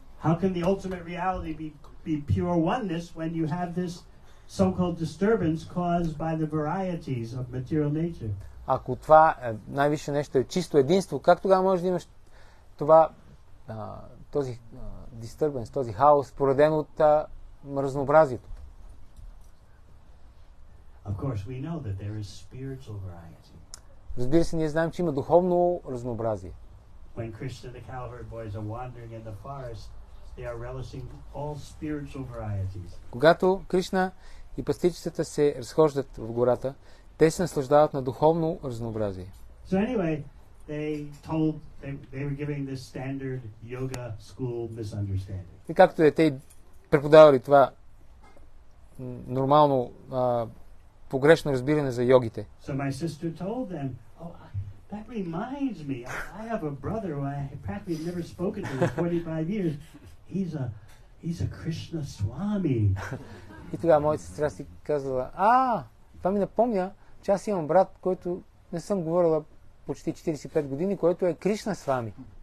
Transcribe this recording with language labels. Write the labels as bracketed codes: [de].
[en] How can the ultimate reality be pure oneness when you have this so-called disturbance caused by the varieties of material nature? [bg] Ако това най-висше нещо е чисто единство, как тогава можеш да имаш това, този disturbance, този хаос, породен от разнообразието? [en] Of course, we know that there is spiritual variety. [bg] Разбира се, ние знаем, че има духовно разнообразие. [en] When Krishna, the cowherd boys, are wandering in the forest, they are relishing all spiritual varieties. [bg] Когато Кришна и пастирчетата се разхождат в гората, те се наслаждават на духовно разнообразие. [en] So anyway, they were giving this standard yoga school misunderstanding. [bg] И както е, те преподавали това нормално погрешно разбиране за йогите. [en] So my sister told them, that reminds me, I have a brother who I practically never spoken to in 45 years. He's a Krishna Swami. [bg] И тогава моята сестра си казала, това ми напомня, че аз имам брат, който не съм говорила почти 45 години, който е Кришна Свами.